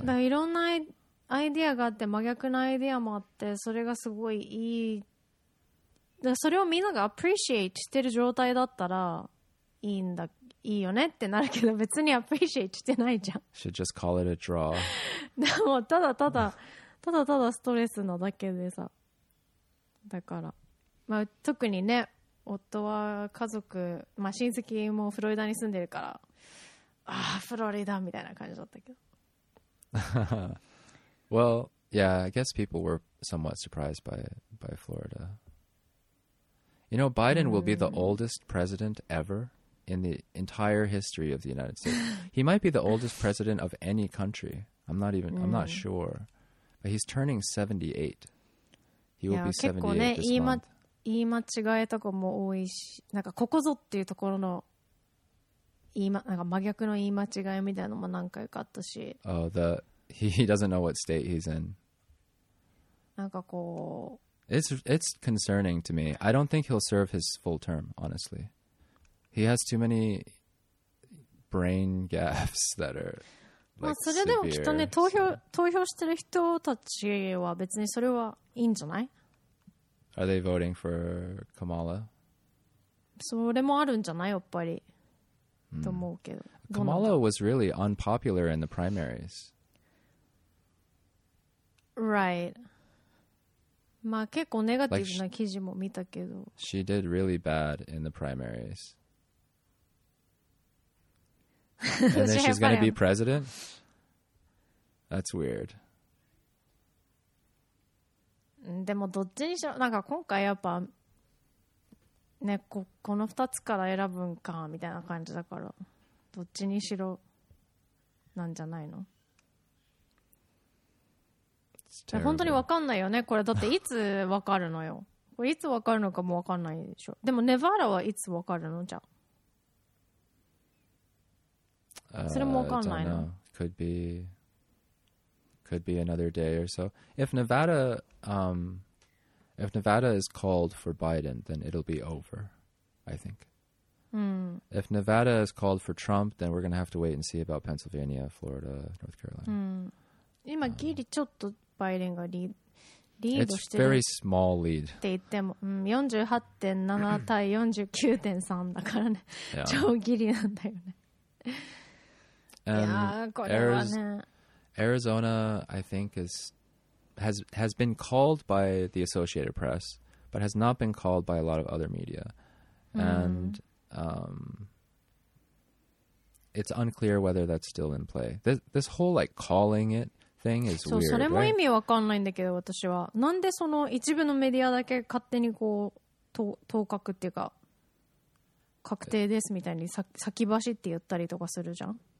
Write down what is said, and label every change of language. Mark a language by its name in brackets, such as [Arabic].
[Japanese] だからいろんなアイデアがあって真逆なアイデアもあって、それがすごいいい。だそれをみんながアプリシエイトしてる状態だったらいいんだ、いいよねってなるけど、別にアプリシエイトしてないじゃん。 [English] Should just call it a draw. [Japanese] でもただただただただストレスなだけでさ、だからまあ特にね、夫は家族、まあ親戚もフロリダに住んでるから、あ、フロリダみたいな感じだったけど。 [English] Well, yeah, I guess people were somewhat surprised by Florida. You know, Biden will be the oldest president ever in the entire history of the United States. He might be the oldest president of any country. I'm not sure. But he's turning 78. He will be 78 this month. [Japanese] 言い間違えとかも多いし、なんかここぞっていうところの言い、ま、なんか真逆の言い間違いみたいなのも何回かあったし。 [English] He doesn't know what state he's in. [Japanese] なんかこう、 [English] It's concerning to me. I don't think he'll serve his full term, honestly. He has too many brain gaffes that are like severe. [Japanese] それでもきっとね、投票してる人たちは別にそれはいいんじゃない？ [English] Are they voting for Kamala? [Japanese] それもあるんじゃない、やっぱり。と思うけど。 [English] Kamala was really unpopular in the primaries. Right. [Japanese] まあ結構ネガティブな記事も見たけど。 [English] Like、she did really bad in the primaries. And then she's gonna be president? That's weird. [Japanese] でもどっちにしろなんか今回やっぱね この2つから選ぶんかみたいな感じだからどっちにしろなんじゃないの。本当に分かんないよねこれ。だっていつ分かるのよ。これいつ分かるのかも分かんないでしょ。でもネバーラはいつ分かるのじゃ。それも分かんないの。 [English] Could be another day or so. If Nevada is called for Biden, then it'll be over, I think. If Nevada is called for Trump, then we're going to have to wait and see about Pennsylvania, Florida, North Carolina. [Japanese] 今ギリちょっとバイデンがリードしてる。 [English] It's very small lead. [Japanese] って言っても、48.7 対 49.3 だからね。 [English] Yeah. [Japanese] 超ギリなんだよね。 [English] And [Japanese] いやこれはね。 [English] Arizona, I think, has been called by the Associated Press, but has not been called by a lot of other media. Mm-hmm. And it's unclear whether that's still in play. This whole, like, calling it thing is right? [Japanese] そう、それも意味わかんないんだけど、私は。なんでその一部のメディアだけ勝手にこう、当確っていうか、確定ですみたいに先走って言ったりとかするじゃん?